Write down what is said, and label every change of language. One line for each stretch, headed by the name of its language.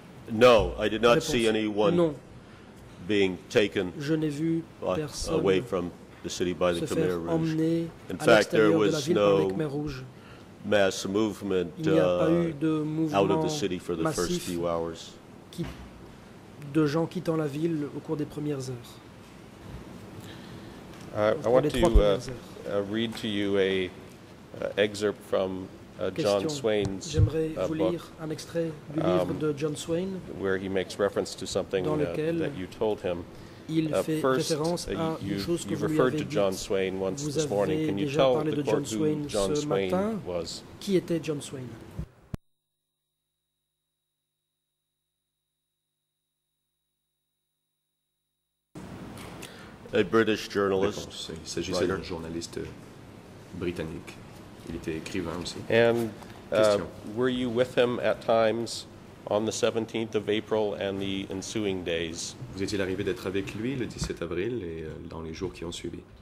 English: No, I did not see anyone
French: non.
English: Being taken
French: Je n'ai vu
English: by, away from the city by the Khmer Rouge. In fact, there was no mass movement out of the city for the first few hours.
French: De gens quittant la ville au cours des premières heures.
English: I want to read to you a excerpt from John Swain's
French: J'aimerais vous lire un extrait du livre de John Swain
English: where he makes reference to something that you told him.
French: Il fait référence à une chose que vous lui avez dit. Vous avez déjà parlé de John Swain ce matin. Qui était John Swain?
English: A British journalist.
French: Il s'agissait d'un journaliste britannique. Il était écrivain aussi.
English: And were you with him at times on the 17th of April and the ensuing days?
French: Vous étiez arrivé d'être avec lui le 17 avril et dans les jours qui ont suivi.